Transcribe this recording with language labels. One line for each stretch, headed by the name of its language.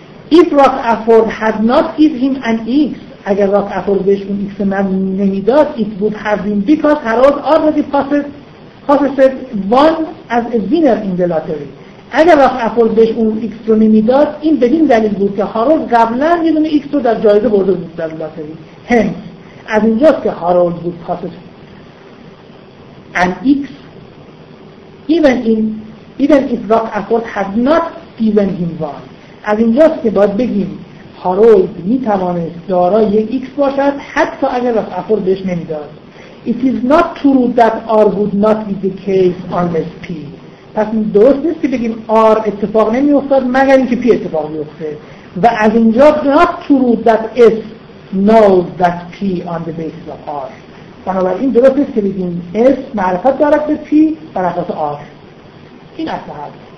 English: If Rock Afford had not given him an X،
Persian: اگر راک افورد بهش اون ایکس من نمیداد
English: it would have been because Harold already possessed one as a winner in the lottery.
Persian: اگر راک افورد بهش اون ایکس رو نمیداد این بدین دلیل بود که Harold قبلا یه دونه ایکس رو در جایزه برده بود در لاتری.
English: Hence
Persian: از اینجاست که
English: Harold would possess an X even if Rock Afford had not given him one.
Persian: از اینجاست که باید بگیم هارولد میتوانست دارای یک ایکس باشد حتی اگر راک افورد بهش نمیداد.
English: It is not true that R would not be the case unless P.
Persian: پس درست نیست که بگیم R اتفاق نمیافتاد مگر اینکه P اتفاق بیفته. و از اینجا
English: not true that S knows that P on the basis of R.
Persian: بنابراین درست نیست که بگیم S معرفت دارد به P بر اساس R. این اصل هست.